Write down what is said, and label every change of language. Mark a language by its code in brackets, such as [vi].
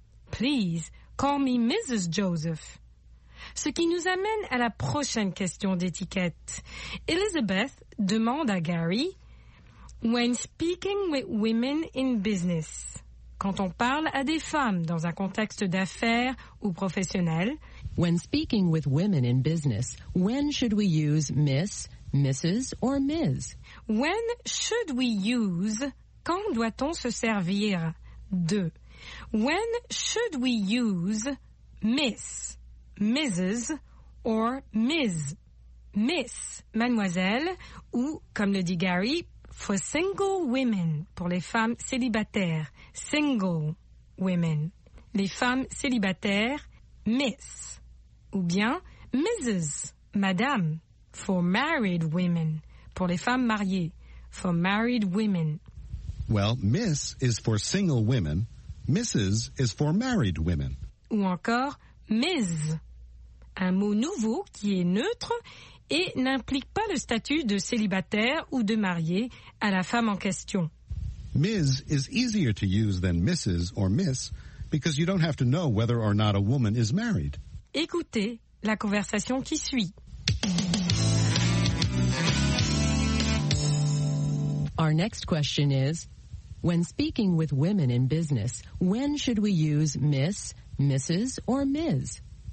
[en] Please call me Mrs. Joseph. [fr] Ce qui nous amène à la prochaine question d'étiquette. Elizabeth demande à Gary, [en] When speaking with women in business, [fr] quand on parle à des femmes dans un contexte d'affaires ou professionnel, [en] when speaking with women in business, when should we use Miss, Mrs. or Ms? When should we use, [fr] quand doit-on se servir de? [en] When should we use Miss, Mrs. [fr] or Ms? Miss, mademoiselle, ou comme le dit Gary, [en] For single women, [fr] pour les femmes célibataires. [en] Single women, [fr] les femmes célibataires, miss. Ou bien, Mrs., madame. [en] For married women, [fr] pour les femmes mariées. [en] For married women. Well, miss is for single women, Mrs. is for married women. [fr] Ou encore, Ms. Un mot nouveau qui est neutre et n'implique pas le statut de célibataire ou de marié à la femme en question. [en] Ms. is easier to use than Mrs. or Miss because you don't have to know whether or not a woman is married. [fr] Écoutez la conversation qui suit. [en] Our next question is, when speaking with women in business, when should we use Miss, Mrs., or Ms.?